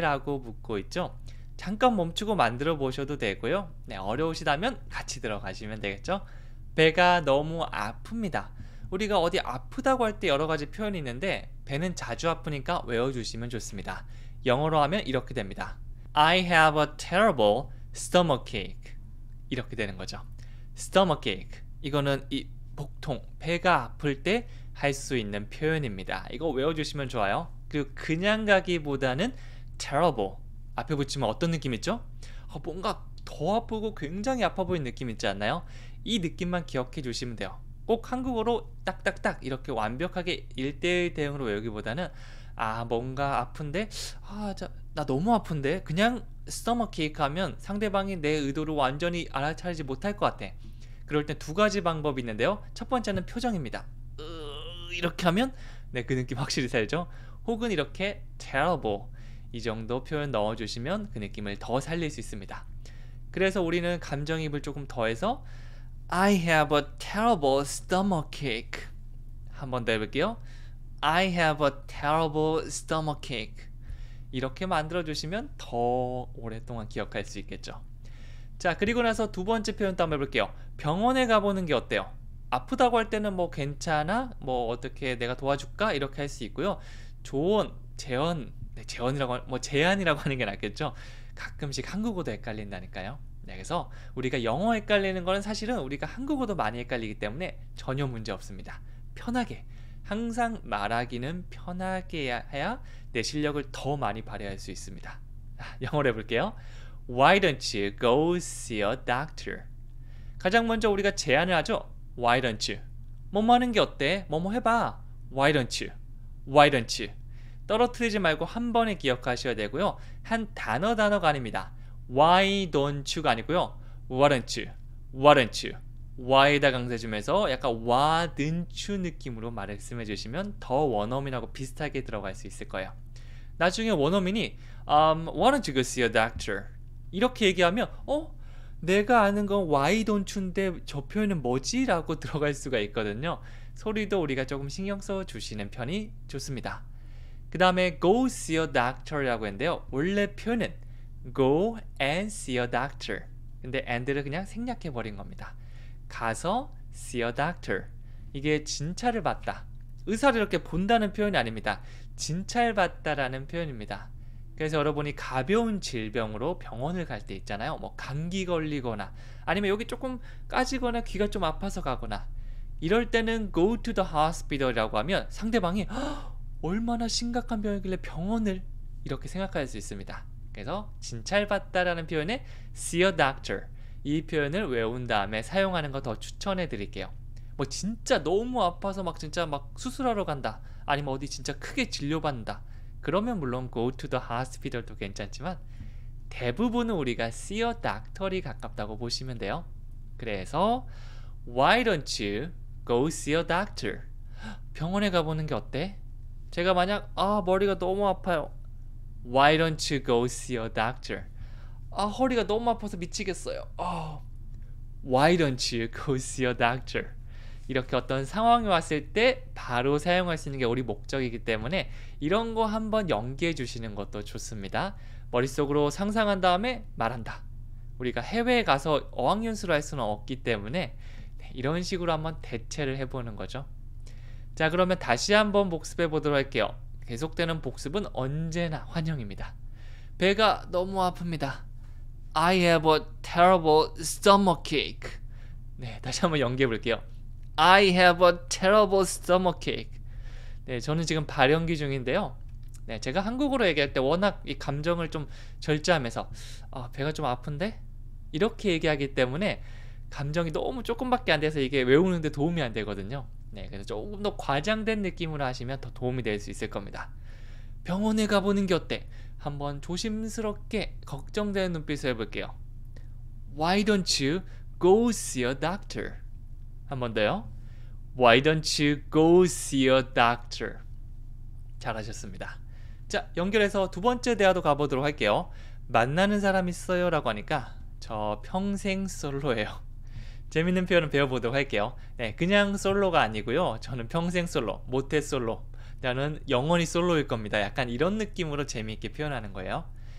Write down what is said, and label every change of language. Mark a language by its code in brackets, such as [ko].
[ko] 라고 묻고 있죠. 잠깐 멈추고 만들어 보셔도 되고요. 네, 어려우시다면 같이 들어가시면 되겠죠? 배가 너무 아픕니다. 우리가 어디 아프다고 할때 여러 가지 표현이 있는데, 배는 자주 아프니까 외워주시면 좋습니다. 영어로 하면 이렇게 됩니다. [en] I have a terrible stomachache. [ko] 이렇게 되는 거죠. Stomachache. 이거는 이 복통, 배가 아플 때할수 있는 표현입니다. 이거 외워주시면 좋아요. 그리고 그냥 가기보다는 terrible. 앞에 붙이면 어떤 느낌 있죠? 뭔가 더 아프고 굉장히 아파 보이는 느낌 있지 않나요? 이 느낌만 기억해 주시면 돼요. 꼭 한국어로 딱딱딱 이렇게 완벽하게 1대1 대응으로 외우기보다는 아 뭔가 아픈데? 아, 나 너무 아픈데? 그냥 stomachache 하면 상대방이 내 의도를 완전히 알아차리지 못할 것 같아. 그럴 땐두 가지 방법이 있는데요. 첫 번째는 표정입니다. 이렇게 하면 네, 그 느낌 확실히 살죠? 혹은 이렇게 terrible 이 정도 표현 넣어주시면 그 느낌을 더 살릴 수 있습니다. 그래서 우리는 감정이입을 조금 더해서 [en] I have a terrible stomachache. [ko] 한번 더 해볼게요. [en] I have a terrible stomachache. [ko] 이렇게 만들어주시면 더 오랫동안 기억할 수 있겠죠. 자, 그리고 나서 두 번째 표현도 한번 해볼게요. 병원에 가보는 게 어때요? 아프다고 할 때는 뭐 괜찮아? 뭐 어떻게 내가 도와줄까? 이렇게 할수 있고요. 조언, 재언, 네, 재언이라고, 뭐, 제안이라고 하는 게 낫겠죠? 가끔씩 한국어도 헷갈린다니까요. 네, 그래서 우리가 영어 헷갈리는 거는 사실은 우리가 한국어도 많이 헷갈리기 때문에 전혀 문제 없습니다. 편하게. 항상 말하기는 편하게 해야 내 실력을 더 많이 발휘할 수 있습니다. 영어로 해볼게요. [en] Why don't you go see a doctor? [ko] 가장 먼저 우리가 제안을 하죠? [en] Why don't you? [ko] 뭐뭐 하는 게 어때? 뭐뭐 해봐. [en] Why don't you? Why don't you? [ko] 떨어뜨리지 말고 한 번에 기억하셔야 되고요. 한 단어 단어가 아닙니다. [en] Why don't you [ko] 가 아니고요. [en] Why don't you? Why don't you? [ko] Why에다 강세 주면서 약간 와 든추 느낌으로 말씀해 주시면 더 원어민하고 비슷하게 들어갈 수 있을 거예요. 나중에 원어민이 [en] Why don't you go see a doctor? [ko] 이렇게 얘기하면 내가 아는 건 [en] Why don't you [ko] 인데 저 표현은 뭐지? 라고 들어갈 수가 있거든요. 소리도 우리가 조금 신경 써 주시는 편이 좋습니다. 그 다음에 [en] go see a doctor [ko] 라고 했는데요. 원래 표현은 [en] go and see a doctor. [ko] 근데 and를 그냥 생략해 버린 겁니다. 가서 [en] see a doctor. [ko] 이게 진찰을 받다. 의사를 이렇게 본다는 표현이 아닙니다. 진찰 받다라는 표현입니다. 그래서 여러분이 가벼운 질병으로 병원을 갈때 있잖아요. 뭐 감기 걸리거나 아니면 여기 조금 까지거나 귀가 좀 아파서 가거나 이럴 때는 [en] go to the hospital [ko] 이라고 하면 상대방이 얼마나 심각한 병이길래 병원을 이렇게 생각할 수 있습니다. 그래서 진찰받다라는 표현에 [en] see a doctor [ko] 이 표현을 외운 다음에 사용하는 거더 추천해 드릴게요. 뭐 진짜 너무 아파서 막 진짜 막 수술하러 간다 아니면 어디 진짜 크게 진료받는다 그러면 물론 [en] go to the hospital [ko] 도 괜찮지만 대부분은 우리가 [en] see a doctor [ko] 이 가깝다고 보시면 돼요. 그래서 [en] why don't you go see a doctor? [ko] 병원에 가보는 게 어때? 제가 만약 머리가 너무 아파요. [en] Why don't you go see a doctor? [ko] 허리가 너무 아파서 미치겠어요. [en] Why don't you go see a doctor? [ko] 이렇게 어떤 상황이 왔을 때 바로 사용할 수 있는 게 우리 목적이기 때문에 이런 거 한번 연기해 주시는 것도 좋습니다. 머릿속으로 상상한 다음에 말한다. 우리가 해외에 가서 어학연수를 할 수는 없기 때문에 이런 식으로 한번 대체를 해보는 거죠. 자, 그러면 다시 한번 복습해 보도록 할게요. 계속되는 복습은 언제나 환영입니다. 배가 너무 아픕니다. [en] I have a terrible stomachache. [ko] 네, 다시 한번 연기해 볼게요. [en] I have a terrible stomachache. [ko] 네, 저는 지금 발연기 중인데요. 네, 제가 한국어로 얘기할 때 워낙 이 감정을 좀 절제하면서, 배가 좀 아픈데? 이렇게 얘기하기 때문에 감정이 너무 조금밖에 안 돼서 이게 외우는데 도움이 안 되거든요. 네, 그래서 조금 더 과장된 느낌으로 하시면 더 도움이 될수 있을 겁니다. 병원에 가보는 게 어때? 한번 조심스럽게 걱정되는 눈빛을 해볼게요. [en] Why don't you go see a doctor? [ko] 한번 더요. [en] Why don't you go see a doctor? [ko] 잘하셨습니다. 자, 연결해서 두 번째 대화도 가보도록 할게요. 만나는 사람 있어요? 라고 하니까 저 평생 솔로예요. 재밌는 표현을 배워보도록 할게요. 네, 그냥 솔로가 아니고요. 저는 평생 솔로, 모태 솔로. 나는 영원히 솔로일 겁니다. 약간 이런 느낌으로 재미있게 표현하는 거예요.